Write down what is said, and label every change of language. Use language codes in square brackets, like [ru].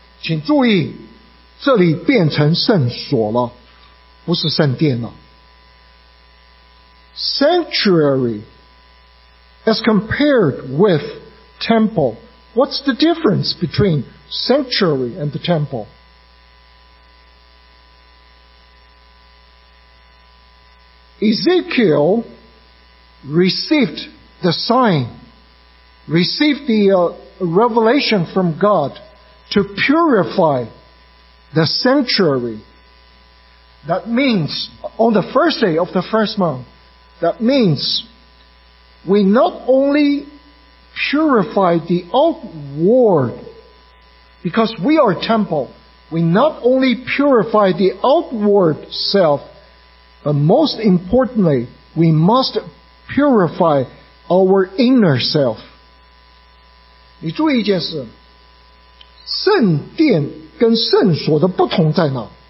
[zh] 请注意,这里变成圣所了,不是圣殿了。 [en] Sanctuary, as compared with temple, what's the difference between sanctuary and the temple? Ezekiel received the sign, received the revelation from God to purify the sanctuary. That means on the first day of the first month,That means we not only purify the outward, because we are temple, we not only purify the outward self, but most importantly, we must purify our inner self. [zh] 你注意一件事，圣殿跟圣所的不同在哪？